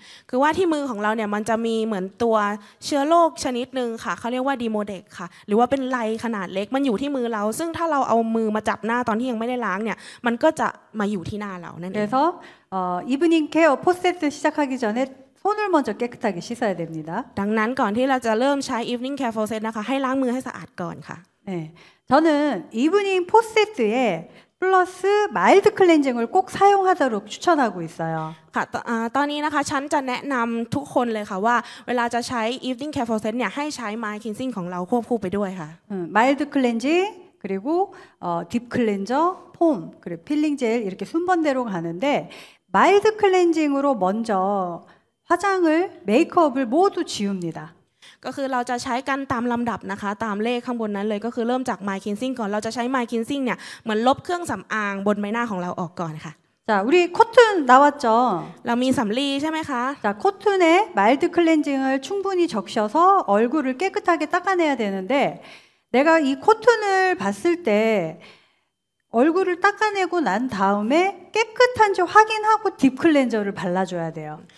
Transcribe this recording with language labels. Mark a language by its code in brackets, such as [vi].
[th] 그와ที่มือของเราเนี่ยมันจะมีเหมือนตัวเชื้อโรคชนิดนึงค่ะเขาเรียกว่าดีโมเด็กค่ะหรือว่าเป็นไรขนาดเล็กมันอยู่ที่มือเราซึ่งถ้าเราเอามือมาจับหน้าตอนที่ยังไม่ได้ล้างเนี่ยมันก็จะมาอยู่ที่หน้าเรานั่นเอง ดังนั้น [ko] evening care process 시작하기전에손을먼저깨끗하게씻어야됩니다 [th] ดังนั้นก่อนที่เราจะเริ่มใช้ evening care process นะคะให้ล้างมือให้สะอาดก่อนค่ะ [ko] 네저는 evening 포세트에 plus mild cleansing을 꼭 사용하도록 추천하고 있어요 [th] ค่ะตอนนี้นะคะฉันจะแนะนำทุกคนเลยค่ะว่าเวลาจะใช้ evening care process เนี่ยให้ใช้ mild cleansing ของเราควบคู่ไปด้วยค่ะ [ko] mild cleansing 그리고 deep cleanser 폼 그리고 필링 젤 이렇게 순번대로 가는데 mild cleansing 으로 먼저화장을메이크업을모두지웁니다 [th] ก็คือเราจะใช้กันตามลำดับนะคะตามเลขข้างบนนั้นเลยก็คือเริ่มจากมายคินซิ่งก่อนเราจะใช้มายคินซิ่งเนี่ยเหมือนลบเครื่องสำอางบนใบหน้าของเราออกก่อนค่ะ [ko] จ้ะ우리코튼나왔죠 [th] เรามีสำลีใช่ไหมคะ [ko] จ้ะ코튼에마일드클렌징을충분히적셔서얼굴을깨끗하게닦아내야되는데내가이코튼을봤을때얼굴을닦아내고난다음에깨끗한지확인하고딥클렌저를발라줘야돼요